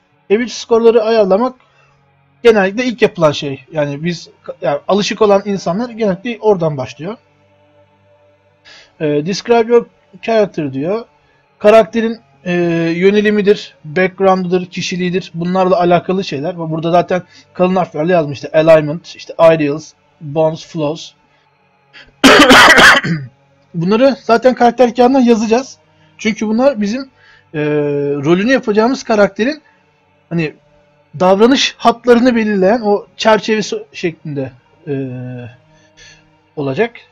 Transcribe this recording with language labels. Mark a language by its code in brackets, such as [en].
[tr] Ability skorları ayarlamak genellikle ilk yapılan şey. Yani biz yani alışık olan insanlar genellikle oradan başlıyor. [en] Describe your character [tr] diyor. Karakterin yönelimidir, background'ıdır, kişiliğidir. Bunlarla alakalı şeyler. Burada zaten kalın harflerle yazmış. İşte alignment, işte ideals, bonds, flaws. Bunları zaten karakter kağıdına yazacağız. Çünkü bunlar bizim rolünü yapacağımız karakterin hani davranış hatlarını belirleyen o çerçevesi şeklinde olacak.